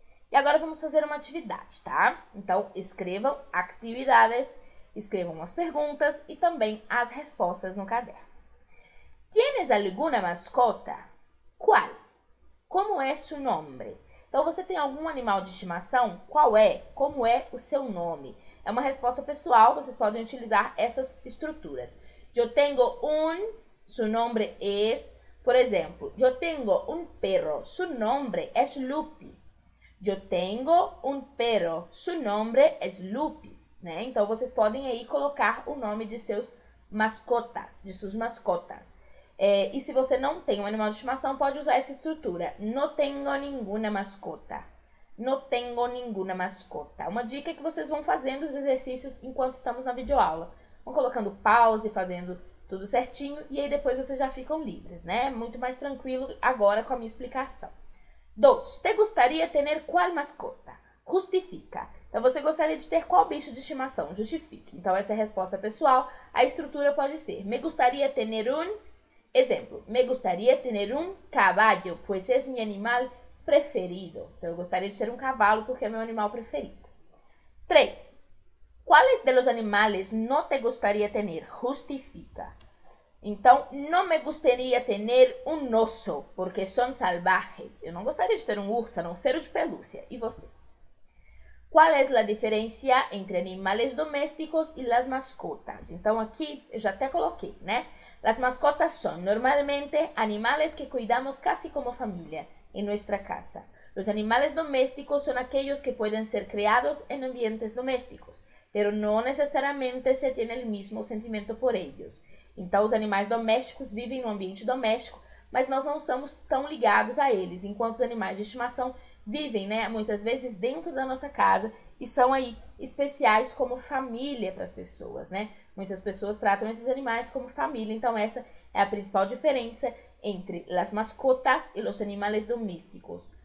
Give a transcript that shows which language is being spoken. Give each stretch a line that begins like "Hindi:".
Portuguese: E agora vamos fazer uma atividade, tá? Então, escrevam atividades, escrevam as perguntas e também as respostas no caderno.
Spanish: ¿Tienes alguna mascota? ¿Cuál? ¿Cómo es su nombre?
Portuguese: Então, você tem algum animal de estimação? Qual é? Como é o seu nome? É uma resposta pessoal, vocês podem utilizar essas estruturas.
Spanish: Yo tengo un, su nombre es,
Portuguese: por exemplo,
Spanish: yo tengo un perro, su nombre es Lupi. Yo tengo un perro, su nombre es Lupi, né?
Portuguese: Então, vocês podem aí colocar o nome de seus mascotas, de suas mascotas. E se você não tem um animal de estimação, pode usar essa estrutura.
Spanish: No tengo ninguna mascota. No tengo ninguna mascota.
Portuguese: Uma dica é que vocês vão fazendo os exercícios enquanto estamos na videoaula. Vão colocando pause, fazendo tudo certinho, e aí depois vocês já ficam livres, né? Muito mais tranquilo agora com a minha explicação.
Spanish: Dos. Te gustaría tener cuál mascota? Justifica.
Portuguese: Então, você gostaria de ter qual bicho de estimação? Justifique. Então, essa é a resposta pessoal. A estrutura pode ser:
Spanish: me gustaría tener un. Exemplo, me gustaría tener un caballo, pues es mi animal preferido.
Portuguese: Então, eu gostaria de ser um cavalo porque é meu animal preferido. 3.
Spanish: ¿Cuáles de los animales no te gustaría tener? Justifica. Então, no me gustaría tener un oso, porque son salvajes.
Portuguese: Eu não gostaria de ter um urso, a não ser o de pelúcia. E vocês?
Spanish: ¿Cuál es la diferencia entre animales domésticos y las mascotas?
Portuguese: Então, aqui eu já até coloquei, né?
Spanish: Las mascotas son normalmente animales que cuidamos casi como familia en nuestra casa. Los animales domésticos son aquellos que pueden ser criados en ambientes domésticos, pero no necesariamente se tiene el mismo sentimiento por ellos.
Portuguese: Então, os animais domésticos vivem no ambiente doméstico, mas nós não somos tão ligados a eles, enquanto os animais de estimação vivem, né, muitas vezes dentro da nossa casa e são aí especiais como família para as pessoas, né? Muitas pessoas tratam esses animais como família, então essa é a principal diferença entre
Spanish: las mascotas
Portuguese: e
Spanish: los animales domésticos.